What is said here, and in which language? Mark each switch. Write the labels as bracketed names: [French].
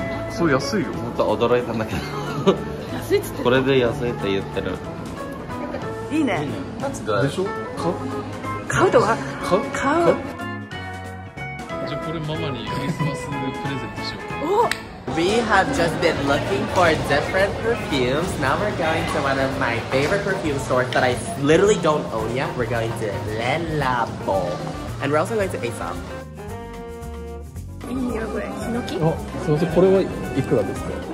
[Japanese] そう安いよ。また驚いたんだけど。安いっつって。これで安いって言ってる。いいね。でしょ？買う？買うとか。買う？買う。じゃあこれママにクリスマスプレゼントしよう。お。 [English] We have just been looking for different perfumes. Now we're going to one of my favorite perfume stores that I literally don't own yet. We're going to Le Labo, and we're also going to Aesop. [Japanese] いいよこれ、ヒノキ。あ、すいません、これはいくらですか。